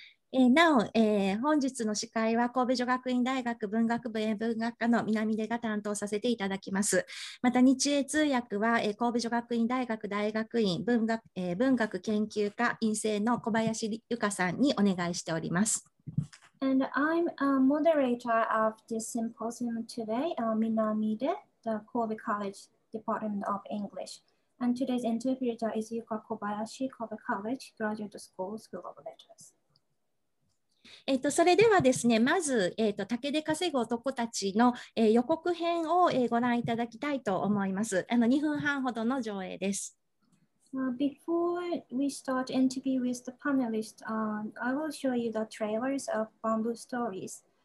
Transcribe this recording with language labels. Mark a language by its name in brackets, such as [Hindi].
[Japanese] なお、本日の司会は神戸女学院大学文学部英文学科の南出が担当させていただきます。また日英通訳は、神戸女学院大学大学院文学研究科院生の小林由香さんにお願いしております。 [English] And I'm a moderator of this symposium today, Minami De, the Kobe College Department of English. And today's interpreter is Yuka Kobayashi, Kobe College Graduate School, School of Letters. [Japanese] それではですね、まず、竹で稼ぐ男たちの、予告編を、ご覧いただきたいと思います。 2分半ほどの上映です。 [English] Before we start interview with the panelists, I will show you the trailers of Bamboo Stories.